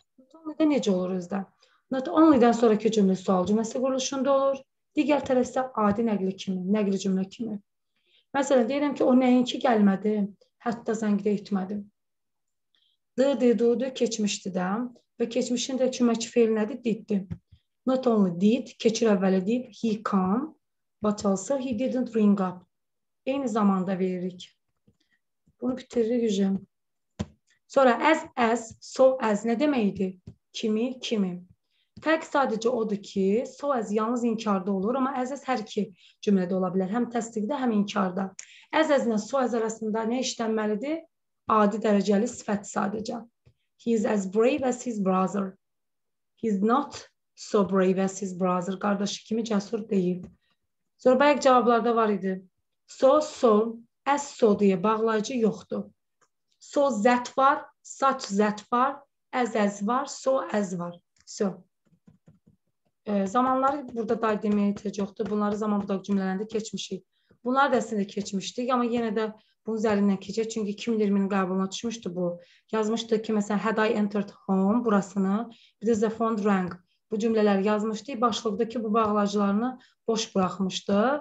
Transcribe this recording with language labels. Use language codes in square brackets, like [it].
[az] Not only də necə olur özdə? Not only-dən sonraki cümlə sual cümləsi quruluşunda olur. Digər tərəf isə adi nəqli kimi, nəqli cümlə kimi. Məsələn, deyirəm ki, o nəyinki gəlmədi, hətta zəng də etmədi. Did, keçmişdi də. Və keçmişin də kömək fiil nədir? [en] Did. Not only did, [az] keçir əvvəli deyib, [en] he come, but also he didn't ring up. [az] Eyni zamanda veririk. Bunu bitiririk hücum. Sonra as, so as nə deməkdi? Kimi. Fərq sadəcə odur ki, so as yalnız inkarda olur, amma as hər iki cümlədə ola bilər. Həm təsdiqdə, həm inkarda. As ilə so as arasında nə işlənməlidir? Adi dərəcəli sifət sadəcə. [en] He is as brave as his brother. He is not so brave as his brother. [az] Qardaşı kimi cəsur deyil. Sonra bayaq cavablarda var idi. So, as so deyə bağlayıcı yoxdur. So that var, such that var, as var, so as var. [en] So. [az] Zamanları burada da deməyə ehtiyac yoxdur. Bunları zaman budaq cümlələrində keçmişik. Bunlar da əslində keçmişdik, amma yenə də bunun üzərindən keçək. Çünki 2020-nin qəbuluna düşmüşdü bu. Yazmışdı ki, məsələn, [en] had I entered home, [az] burasını, bir də [en] the phone rang. [az] Bu cümlələr yazmışdı. Başlıqdakı bu bağlayıcılarını boş buraxmışdı.